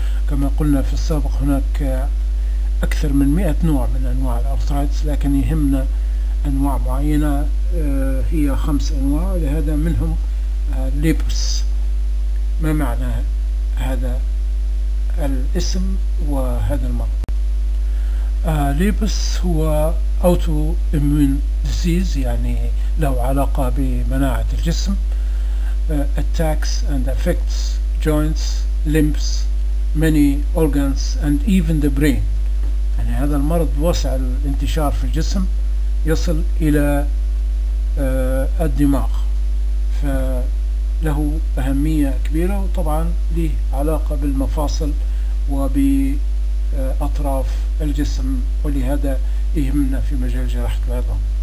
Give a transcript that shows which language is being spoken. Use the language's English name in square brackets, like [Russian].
[Arabic] كما قلنا في السابق، هناك أكثر من 100 نوع من أنواع الأرترايتس، لكن يهمنا أنواع معينة، هي 5 أنواع، لهذا منهم ليبوس. ما معنى هذا الاسم وهذا المرض؟ ليبوس هو [English] autoimmune disease, [Arabic] يعني له علاقة بمناعة الجسم. [English] Attacks and affects joints, limbs, many organs and even the brain. [Arabic] يعني هذا المرض واسع الانتشار في الجسم، يصل إلى الدماغ، فله أهمية كبيرة، وطبعا له علاقة بالمفاصل وبأطراف الجسم، ولهذا يهمنا في مجال جراحة العظام.